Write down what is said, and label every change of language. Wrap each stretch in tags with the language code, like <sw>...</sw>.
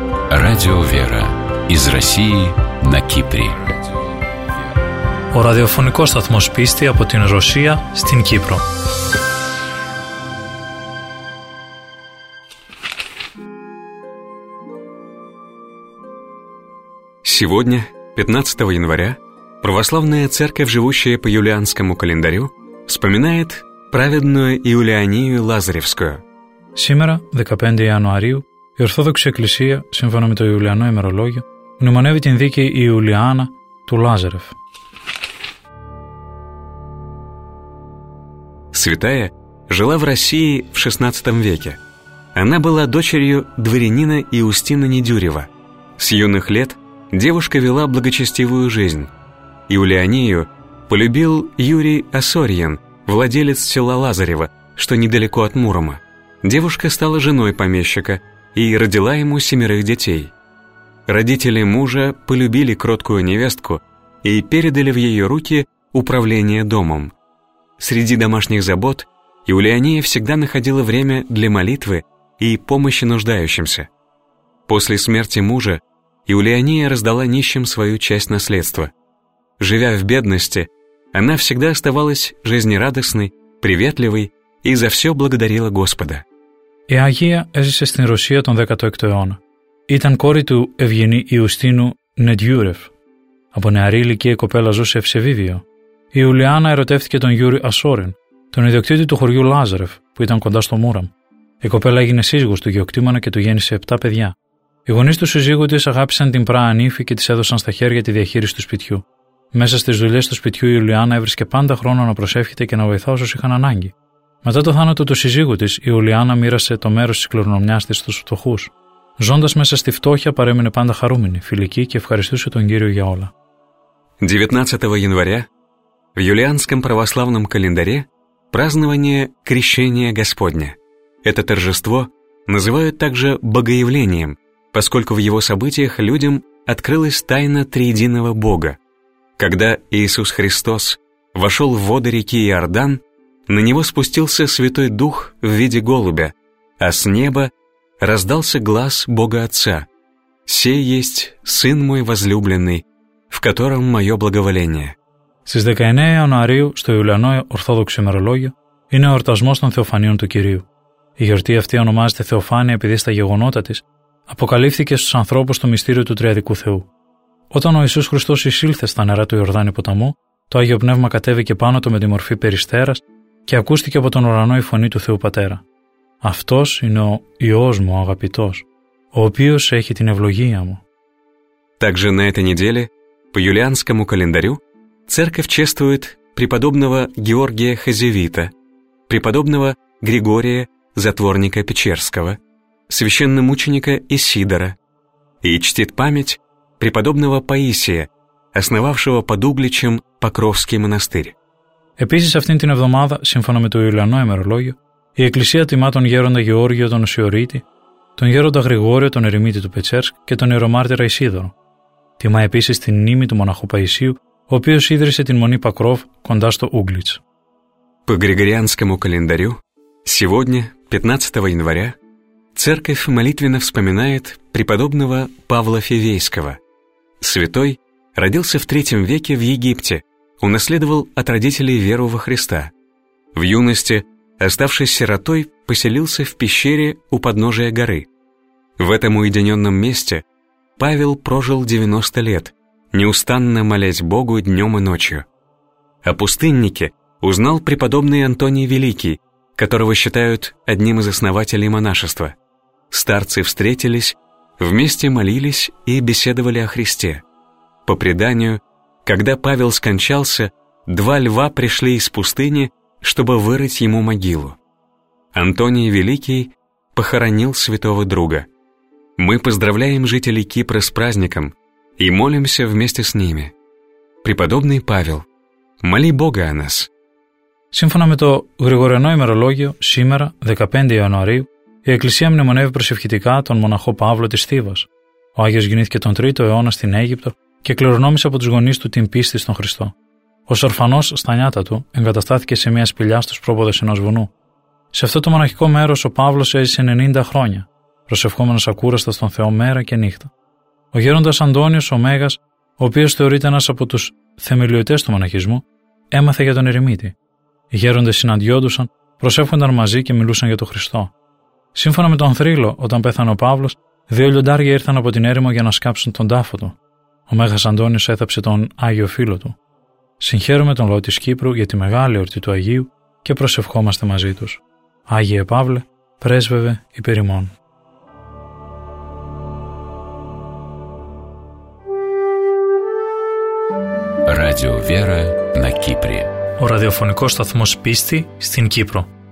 <ru>Радио «Вера» из России на Кипре.</ru> <el>Ο ραδιοφωνικός σταθμός πίστη από την Ρωσία στην Κύπρο.</el> <ru>Сегодня, 15 января, православная церковь, живущая по юлианскому календарю, вспоминает праведную Иулианию Лазаревскую.</ru> <el>Σήμερα, 15 Ιανουαρίου, η Ορθόδοξη Εκκλησία, σύμφωνα με το Ιουλιανό ημερολόγιο, μνημονεύει την δίκη Ιουλιάνα του Λάζαρεφ.</el> <ru>Святая жила в России в XVI веке. Она была дочерью дворянина Иустина Недюрева. С юных лет девушка вела благочестивую жизнь. Иулианию полюбил Юрий Оссориен, владелец села Лазарева, что недалеко от Мурома. Девушка стала женой помещика и родила ему 7 детей. Родители мужа полюбили кроткую невестку и передали в ее руки управление домом. Среди домашних забот Иулиания всегда находила время для молитвы и помощи нуждающимся. После смерти мужа Иулиания раздала нищим свою часть наследства. Живя в бедности, она всегда оставалась жизнерадостной, приветливой и за все благодарила Господа.</ru> <el>Η Αγία έζησε στην Ρωσία τον 16ο αιώνα. Ήταν κόρη του Ευγενή Ιουστίνου Νεντιούρεφ. Από νεαρή ηλικία η κοπέλα ζούσε ευσεβίβιο. Η Ιουλιάνα ερωτεύτηκε τον Γιούρι Ασόριν, τον ιδιοκτήτη του χωριού Λάζαρεφ, που ήταν κοντά στο Μούραμ. Η κοπέλα έγινε σύζυγος του γεωκτήμανα και του γέννησε 7 παιδιά. Οι γονείς του συζύγου της αγάπησαν την πράα νύφη και της έδωσαν στα χέρια τη διαχείριση του σπιτιού. Μέσα στις δουλειές του σπιτιού η Ιουλιάνα έβρισκε πάντα χρόνο να προσεύχεται και να βοηθά όσους είχαν ανάγκη. Μετά το θάνατο του συζύγου της, η Ιουλιάνα μοίρασε το μέρος της κληρονομιάς της στους φτωχούς. Ζώντας μέσα στη φτώχεια, παρέμεινε πάντα χαρούμενη, φιλική και ευχαριστούσε τον Κύριο για όλα.</el> <ru>19 января в юлианском православном календаре празднование Крещения Господня. Это торжество называют также Богоявлением, поскольку в его событиях людям открылась тайна Триединого Бога. Когда Иисус Христос вошел в воды реки Иордан, на него спустился Святой Дух в виде голубя, а с неба раздался глас Бога Отца. «Сей есть Сын мой возлюбленный, в котором мое благоволение».</ru> <el>Στις 19 Ιανουαρίου, στο Ιουλιανό Ορθόδοξο ημερολόγιο, είναι ο εορτασμός των Θεοφανίων του Κυρίου. Η γιορτή αυτή ονομάζεται Θεοφάνεια επειδή στα γεγονότα της αποκαλύφθηκε στους ανθρώπους το μυστήριο του Τριαδικού Θεού. Όταν ο Ιησούς Χριστός εισήλθε στα νερά του Ιορδάνη ποταμού, το Άγιο Πνεύμα κατέβηκε πάνω του με τη μορφή περιστέρας και ακούστηκε από τον ουρανό η φωνή του Θεού Πατέρα. «Αυτός είναι ο Υιός μου, ο αγαπητός, ο οποίος έχει την ευλογία μου».</el> <ru>Также на этой неделе по юлианскому календарю Церковь чествует преподобного Георгия Хазевита, преподобного Григория Затворника Печерского, священномученика Исидора и чтит память преподобного Паисия, основавшего под Угличем Покровский монастырь.</ru> <el>Επίσης αυτήν την εβδομάδα, σύμφωνα με το Ιουλιανό ημερολόγιο, η Εκκλησία τιμά τον γέροντα Γεώργιο τον Οσιορίτη, τον γέροντα Γρηγόριο τον Ερημίτη του Πετσέρσκ και τον ιερομάρτυρα Ισίδωρο. Τιμά επίσης την μνήμη του μοναχού Παϊσίου, ο οποίος ίδρυσε την Μονή Покров κοντά στο Углич.</el> <ru>По григорианскому календарю сегодня, 15 января, церковь молитвенно вспоминает преподобного Павла Фивейского. Святой родился в III веке в Египте, унаследовал от родителей веру во Христа. В юности, оставшись сиротой, поселился в пещере у подножия горы. В этом уединенном месте Павел прожил 90 лет, неустанно молясь Богу днем и ночью. О пустыннике узнал преподобный Антоний Великий, которого считают одним из основателей монашества. Старцы встретились, вместе молились и беседовали о Христе. По преданию, когда Павел скончался, два льва пришли из пустыни, чтобы вырыть ему могилу. Антоний Великий похоронил святого друга. Мы поздравляем жителей Кипра с праздником и молимся вместе с ними. Преподобный Павел, моли Бога о нас.</ru> <el>Σύμφωνα με το Γρηγοριανό ημερολόγιο, σήμερα, 15 Ιανουαρίου, η Εκκλησία μνημονεύει προσευχητικά τον μοναχό Παύλο της Θήβας. Ο Άγιος γεννήθηκε τον 3ο αιώνα στην Αίγυπτο και κληρονόμησε από τους γονείς του την πίστη στον Χριστό. Ο ορφανός στα νιάτα του εγκαταστάθηκε σε μια σπηλιά στους πρόποδες ενός βουνού. Σε αυτό το μοναχικό μέρος ο Παύλος έζησε 90 χρόνια, προσευχόμενος ακούραστα στον Θεό μέρα και νύχτα. Ο γέροντας Αντώνιος ο Μέγας, ο οποίος θεωρείται ένας από τους θεμελιωτές του μοναχισμού, έμαθε για τον Ερημίτη. Οι γέροντες συναντιόντουσαν, προσεύχονταν μαζί και μιλούσαν για τον Χριστό. Σύμφωνα με τον Θρύλο, όταν πέθανε ο Παύλος, δύο λιοντάρια ήρθαν από την έρημο για να σκάψουν τον τάφο του. Ο Μέγας Αντώνιος έθαψε τον Άγιο Φίλο του. Συγχαίρουμε τον λαό της Κύπρου για τη μεγάλη εορτή του Αγίου και προσευχόμαστε μαζί τους. Άγιε Παύλε, πρέσβευε υπέρ ημών.</el> <ru>Ράδιο Βέρα, на Кипре.</ru> <el>Ο ραδιοφωνικός σταθμός πίστη στην Κύπρο.</el>